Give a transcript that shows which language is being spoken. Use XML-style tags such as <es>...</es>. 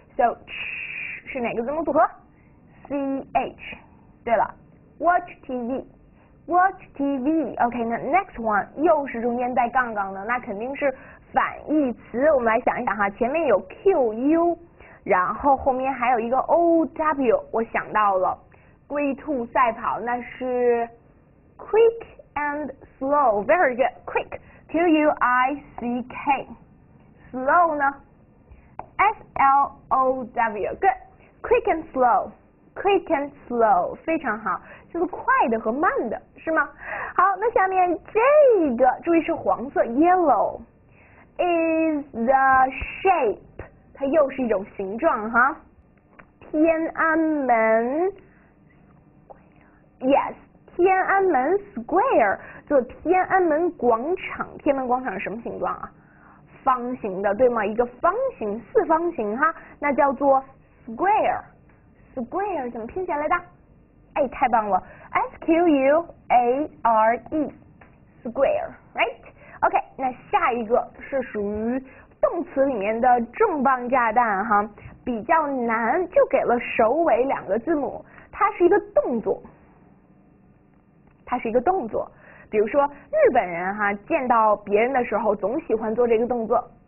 <zh>So 是哪个字母组合 ？C H。对了 ，</zh> <en>watch TV。 Watch TV， OK，</en> <zh>那 next one 又是中间带杠杠的，那肯定是反义词。我们来想一想哈，前面有 Q U， 然后后面还有一个 O W， 我想到了龟兔赛跑，那是</zh> <en>quick and slow， very good，</en> <zh>quick， Q U I C K， slow 呢？</zh> <en>S L O W， good， quick and slow。 Quick and slow，</en> <zh>非常好，就是快的和慢的，是吗？好，那下面这个，注意是黄色 ，yellow，</zh> <en>is the shape，</en> <zh>它又是一种形状哈。天安门 ，yes， 天安门 square， 就天安门广场，天安门广场是什么形状啊？方形的，对吗？一个方形，四方形哈，那叫做 square。 Square 怎么拼写来的？哎，太棒了 ，S Q U A R E，</zh> <en>Square， right？</en> <zh>OK， 那下一个是属于动词里面的重磅炸弹哈，比较难，就给了首尾两个字母，它是一个动作，它是一个动作。比如说日本人哈，见到别人的时候总喜欢做这个动作。</zh>